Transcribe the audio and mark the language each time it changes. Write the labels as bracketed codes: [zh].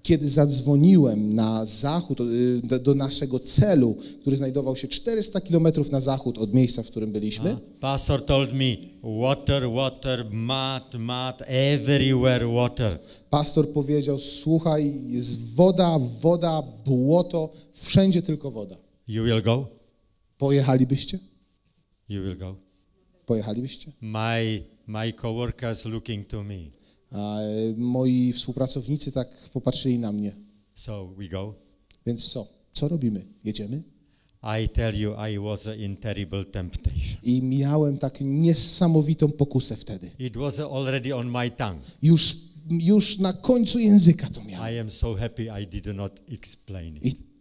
[pl] Kiedy zadzwoniłem na zachód do naszego celu, który znajdował się 400 kilometrów na zachód od miejsca, w którym byliśmy. [en] Pastor told me water, mud, everywhere water. [pl] Pastor powiedział: "Słuchaj, jest woda, błoto, wszędzie tylko woda." [en] You will go? [pl] Pojechalibyście? [en] You will go? [pl] Pojechalibyście? [en] My coworkers looking to me. [pl] Moi współpracownicy tak popatrzyli na mnie. [en] So we go. [pl] Więc co robimy? Jedziemy? [en] I tell you, I was in terrible temptation. [pl] I miałem tak niesamowitą pokusę wtedy. [en] It was already on my tongue. [pl] Już na końcu języka to miałem. [en] I am so happy I did not explain it.